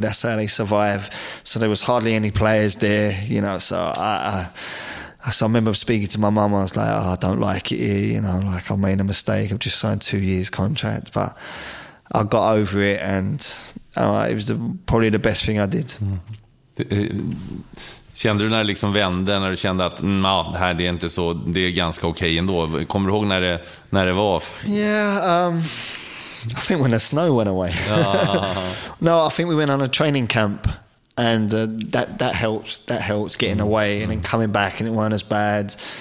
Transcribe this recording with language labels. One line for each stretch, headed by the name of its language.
English: That's how they survive. So there was hardly any players there, you know. So I remember speaking to my mum. I was like, oh, I don't like it here. You know, like I made a mistake. I've just signed 2 years contract. But I got over it and it was probably the best thing I did. Mm.
Swedish: Kände du när det liksom vände, när du kände att här, det är inte så, det är ganska okej ändå? Kommer du ihåg när det var?
English: Yeah, I think when the snow went away. No, I think we went on a training camp and that helps getting away and then coming back and it weren't as bad.